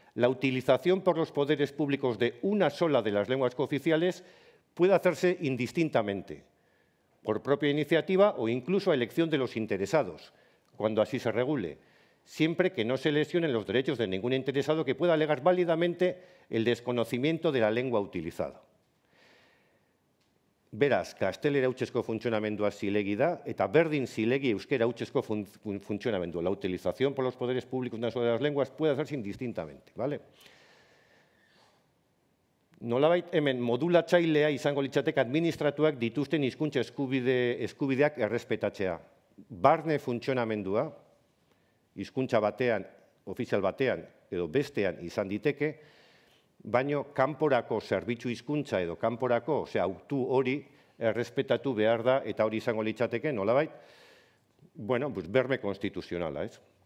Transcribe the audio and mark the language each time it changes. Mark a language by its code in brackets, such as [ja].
[es] La utilización por los poderes públicos de una sola de las lenguas cooficiales puede hacerse indistintamente, por propia iniciativa o incluso a elección de los interesados, cuando así se regule, siempre que no se lesionen los derechos de ningún interesado que pueda alegar válidamente el desconocimiento de la lengua utilizada. [eu] Beraz, gaztelera hutsezko funtzionamendua zilegi da, eta berdin zilegi euskera hutsezko funtzionamendua. [es] La utilización por los poderes públicos de las lenguas puede hacerse indistintamente. ¿Vale? [eu] Nolabait, hemen, modulatzailea izango litzatek administratuak dituzten hizkuntza eskubideak errespetatzea. Barne funtzionamendua, hizkuntza batean, ofizial batean edo bestean izan diteke, baino kanporako zerbitzu hizkuntza edo kanporako, [es] osea, [eu] autu hori errespetatu behar da eta hori izango litzateke, nolabait, [es] bueno, pues, [eu] berme konstituzionala, ez?